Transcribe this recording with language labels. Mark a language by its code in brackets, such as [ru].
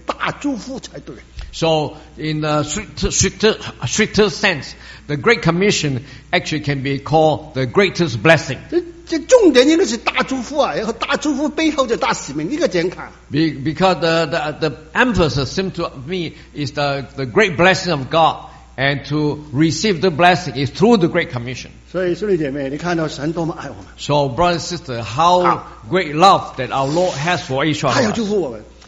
[zh] 所以这个大使命啊，应该来说啊，应该称为大祝福才对。So [en] in the strictest sense, the Great Commission actually can be called the greatest blessing. [zh] 这重点应该是大祝福啊，然后大祝福背后的大使命，应该怎样看？ [en] Because the emphasis seems to me is the great blessing of God. And to receive the blessing is through the Great Commission. So, brothers and sisters, how great love that our Lord has for each one of us.